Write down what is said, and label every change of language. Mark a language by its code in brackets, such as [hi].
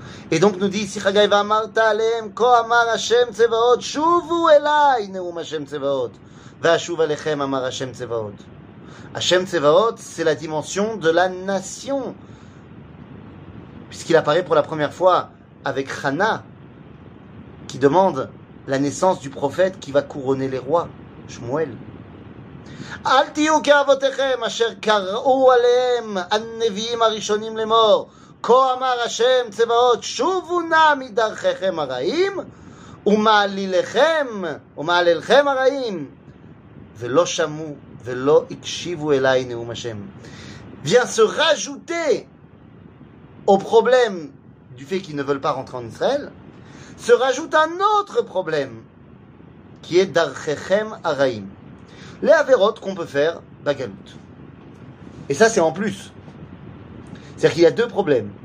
[fr] Et donc, nous dit, « [he] Si Haggai va amarta alehem, ko amar Hashem tzevaot, [fr] shuvu elai, neum Hashem tzevaot, v'ashuv alechem amar Hashem tzevaot. » Hashem tzevaot, c'est la dimension de la nation. Puisqu'il apparaît pour la première fois avec Hana, qui demande la naissance du prophète qui va couronner les rois, Shmuel. [he] אל תהיו כאבותיכם אשר קראו עליהם הנביאים הראשונים למור כה אמר השם צבאות שובו נע מדרכיכם הרעים ומעלילכם, ומעלילכם הרעים, ולא שמעו ולא הקשיבו אליי נאום השם. [fr] Vient se rajouter au problème du fait qu'ils ne veulent pas rentrer en Israël, se rajoute un autre problème qui est d'archechem araim, les averot qu'on peut faire bagalout. Et ça, c'est en plus. C'est-à-dire qu'il y a deux problèmes.